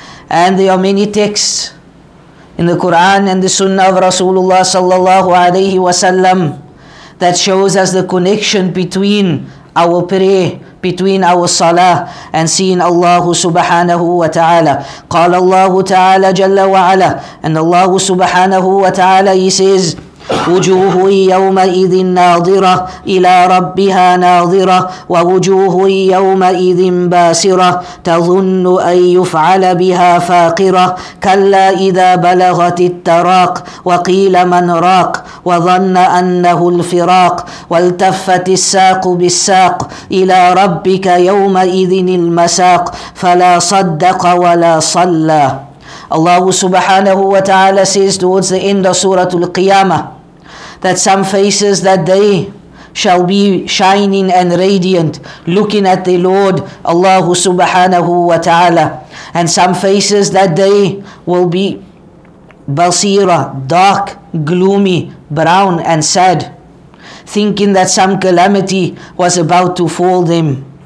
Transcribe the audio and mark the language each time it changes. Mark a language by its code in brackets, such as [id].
[en] And there are many texts in the Quran and the Sunnah of Rasulullah sallallahu alayhi wa sallam that shows us the connection between our prayer, between our salah and seeing Allah subhanahu wa ta'ala. [ar] Qala Allah ta'ala jalla wa ala, [en] and Allah subhanahu wa ta'ala, he says, [ar] وجوه يومئذ ناظرة إلى ربها ناظرة ووجوه يومئذ باسرة تظن أن يفعل بها فاقرة كلا إذا بلغت التراق وقيل من راق وظن أنه الفراق والتفت الساق بالساق إلى ربك يومئذ المساق فلا صدق ولا صلى. [en] Allah subhanahu wa ta'ala says towards the end of Surah Al-Qiyamah that some faces that day shall be shining and radiant, looking at the Lord, Allah subhanahu wa ta'ala. And some faces that day will be basira, dark, gloomy, brown and sad, thinking that some calamity was about to fall them.